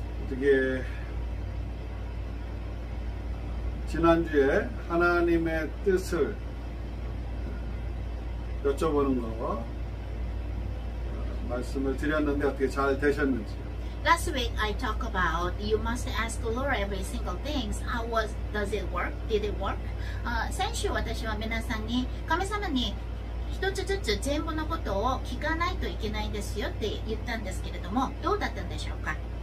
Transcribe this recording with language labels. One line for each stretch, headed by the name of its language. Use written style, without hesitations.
Korean: 이게 지난주에 하나님의 뜻을 여쭤보는 거 말씀을 드렸는데 어떻게 잘 되셨는지.
English: Last week I talked about you must ask the Lord every single things. How was does it work? Did it work?
Japanese: 先週私は皆さんに神様に一つずつ全部のことを聞かないといけないんですよって言ったんですけれどもどうだったんでしょうか。